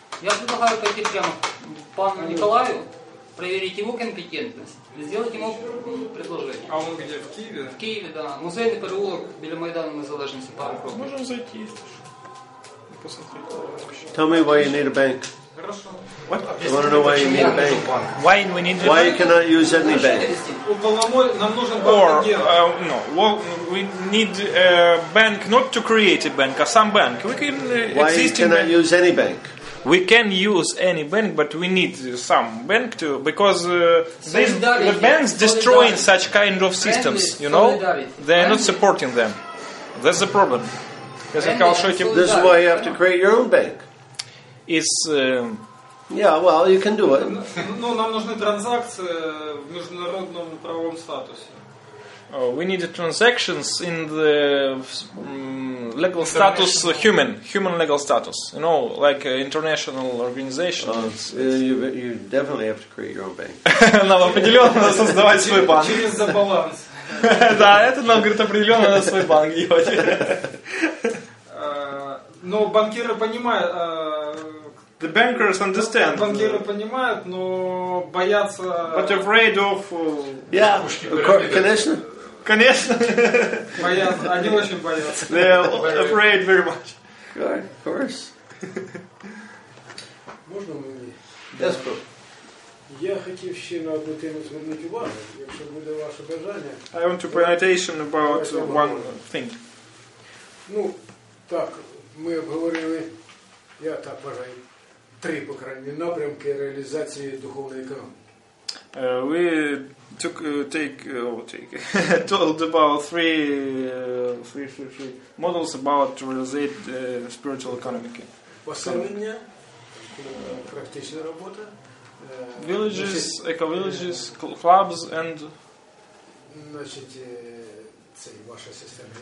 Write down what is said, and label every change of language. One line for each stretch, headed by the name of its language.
Russian: Я предлагаю пойти прямо к пану Николаю, проверить его компетентность, сделать ему предложение. А он где, в Киеве? В Киеве, да. Музейный переулок Белемайдана на Залежности, пару кругов. Можем зайти, если посмотреть.
English: Tell me why you need a bank. What? I want to know why you need a bank. Why we need? Why you cannot use any bank? Or no? Well, we need a bank, not to create a bank, some bank. We can. Why you cannot use any bank? We can use any bank, but we need some bank too, because the banks destroying such kind of systems. You know, they are not supporting them. That's the problem. This is why you have to create your own bank. It's Well, you can do it.
Russian: Ну, нам нужны транзакции в международном правовом статусе.
English: We need transactions in the legal status, human legal status. You know, like international organizations. You definitely have to create your own bank.
Russian: Нам определенно надо создавать свой банк. Через баланс. Да, это нам говорит определенно надо свой банк делать. Но банкиры понимают.
English: The bankers understand.
Russian: Банкиры понимают, но боятся.
English: But afraid of.
Russian: Конечно. Конечно. Боятся. Они очень боятся.
English: They are afraid very much. Good, of course.
Russian: Можно мне?
English: Yes, bro.
Ukrainian: Я хотів ще на одну тему звернути увагу, якщо буде ваше бажання.
English: I want to pay attention about one thing.
Ukrainian: Ну, так, ми обговорили. Я так бажаю.
Russian: Три, по крайней мере, напрямки реализации духовной экономики.
English: Talked about three models about to realize spiritual economy.
Ukrainian: Поселення, практична робота.
English: Villages, eco-villages, clubs and...
Ukrainian: Значить, це і ваша система.